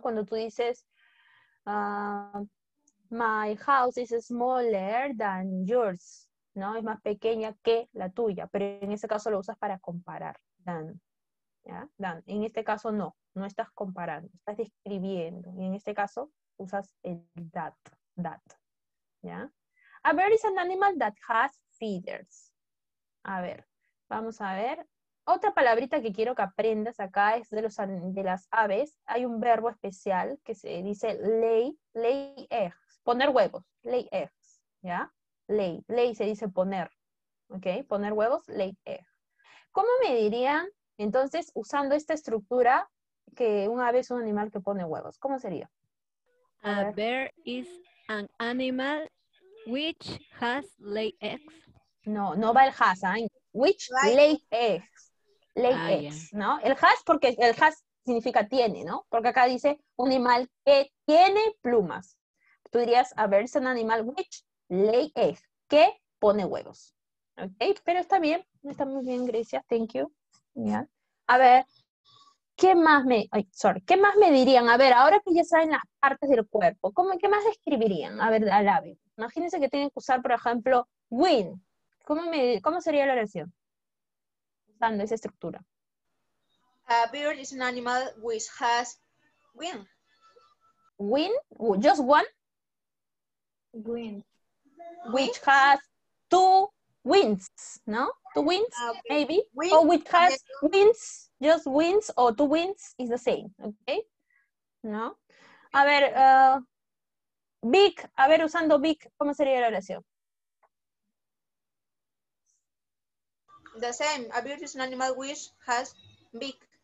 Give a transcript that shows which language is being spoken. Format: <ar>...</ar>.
<es>Cuando tú dices,</es> <en>my house is smaller than yours.</en> <es>¿No? Es más pequeña que la tuya, pero en ese caso lo usas para comparar, Dan. ¿Ya? Dan. En este caso no, no estás comparando, estás describiendo. Y en este caso usas el that. ¿Ya?</es> <en>A bird is an animal that has feathers.</en> <es>A ver, vamos a ver. Otra palabrita que quiero que aprendas acá es de las aves. Hay un verbo especial que se dice lay eggs, poner huevos, lay eggs. ¿Ya? Lay se dice poner, ¿ok? Poner huevos, lay egg. ¿Cómo me dirían, entonces, usando esta estructura, que un ave es un animal que pone huevos? ¿Cómo sería?</es> <en>A bear is an animal which has lay eggs.</en> <es>No va el has, ¿eh?</es> <en>Which lay eggs. Lay eggs, yeah. ¿No?</en> <es>El has porque el has significa tiene, ¿no? Porque acá dice un animal que tiene plumas. Tú dirías,</es> <en>a bear is an animal which lay egg,</en> <es>que pone huevos. Ok, pero está bien. Está muy bien, Grecia.</es> <en>Thank you. Yeah.</en> <es>A ver, ¿qué más me dirían? A ver, ahora que ya saben las partes del cuerpo, ¿qué más describirían? A ver, al ave. Imagínense que tienen que usar, por ejemplo, wing. ¿Cómo sería la oración? Usando esa estructura.</es> <en>A bird is an animal which has wing. Wing? Just one? Wing. Which has two wings, ¿no? Two wings, okay. Maybe. Wings. Or which has wings, just wings, or two wings is the same, okay?</en> <es>¿No? A ver, big, a ver, usando big, ¿cómo sería la oración?</es> <en>The same. A bird is an animal which has big.</en>